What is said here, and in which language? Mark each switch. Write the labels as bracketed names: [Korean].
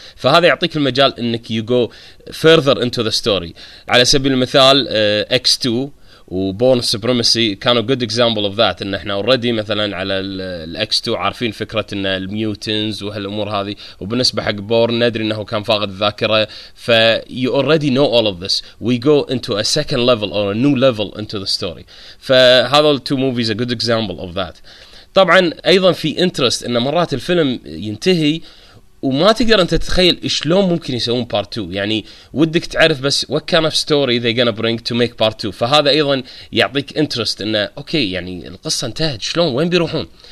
[Arabic] فهذا يعطيك المجال انك [English] you go further into the story. [Arabic] على سبيل المثال X2 وبورن سوبريمسي كانوا [English] good example of that، [Arabic] ان احنا already مثلا على X2 عارفين فكرة ان الميوتنز وهالامور هذه، وبالنسبة حق بورن ندري انه كان فاقد الذاكرة. [English] ف you already know all of this, we go into a second level or a new level into the story. فهذا two movies a good example of that. [Arabic] طبعا ايضا في interest ان مرات الفيلم ينتهي وما تقدر انت تتخيل شلون ممكن يسوون بارت 2، يعني ودك تعرف بس [English] what kind of story they gonna bring to make part 2. [Arabic] فهذا ايضا يعطيك interest انه اوكي يعني القصة انتهت شلون، وين بيروحون.